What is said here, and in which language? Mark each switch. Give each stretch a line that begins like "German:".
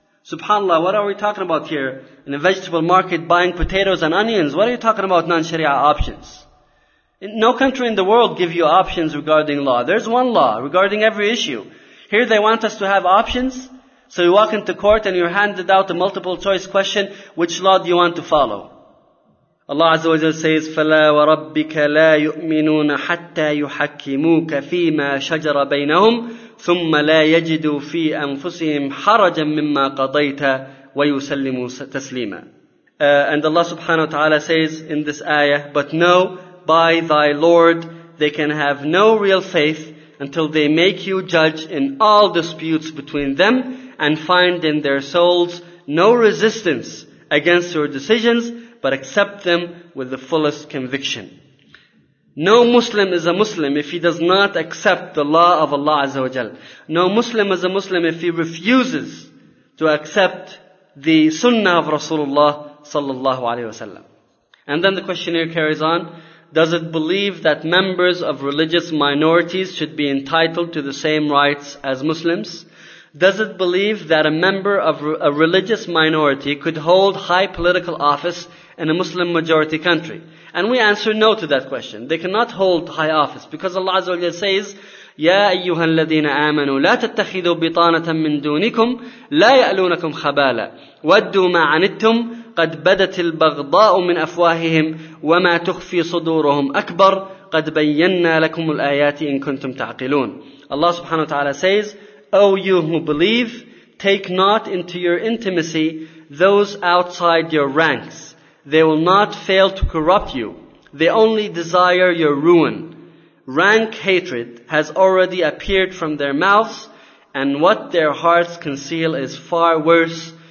English: SubhanAllah, what are we talking about here? In a vegetable market buying potatoes and onions, what are you talking about non-Sharia options? No country in the world give you options regarding law. There's one law regarding every issue. Here they want us to have options. So you walk into court and you're handed out a multiple choice question, which law do you want to follow? Allah Azza wa Jalla says,
Arabic: فَلَا وَرَبِّكَ لَا يُؤْمِنُونَ حَتَّى يُحَكِّمُوكَ فِي مَا شَجَرَ بَيْنَهُمْ ثُمَّ لَا يَجِدُوا فِي أَنفُسِهِمْ حَرَجًا مِّمَّا قَضَيْتَ وَيُسَلِّمُوا تَسْلِيمًا.
English: And Allah subhanahu wa ta'ala says in this ayah, but know, by thy Lord, they can have no real faith until they make you judge in all disputes between them and find in their souls no resistance against your decisions, but accept them with the fullest conviction. No Muslim is a Muslim if he does not accept the law of Allah Azza wa Jal. No Muslim is a Muslim if he refuses to accept the Sunnah of Rasulullah sallallahu alaihi wasallam. And then the questionnaire carries on. Does it believe that members of religious minorities should be entitled to the same rights as Muslims? Does it believe that a member of a religious minority could hold high political office in a Muslim majority country? And we answer no to that question. They cannot hold high office because Allah Azza wa Jalla says,
Arabic: يَا أَيُّهَا الَّذِينَ آمَنُوا لَا تَتَّخِذُوا بِطَانَةً مِّن دُونِكُمْ لَا يَأْلُونَكُمْ خَبَالًا وَدُّوا مَا عَنِتُّمْ قَدْ بَدَتِ الْبَغْضَاءُ مِنْ أَفْوَاهِهِمْ وَمَا تُخْفِي صُدُورُهُمْ أَكْبَرْ قَدْ بَيَّنَّا لَكُمُ الْآيَاتِ إِن كُنْتُمْ تَعْقِلُونَ.
English: Allah subhanahu wa ta'ala says, O you who believe, take not into your intimacy those outside your ranks. They will not fail to corrupt you. They only desire your ruin. Rank hatred has already appeared from their mouths, and what their hearts conceal is far worse.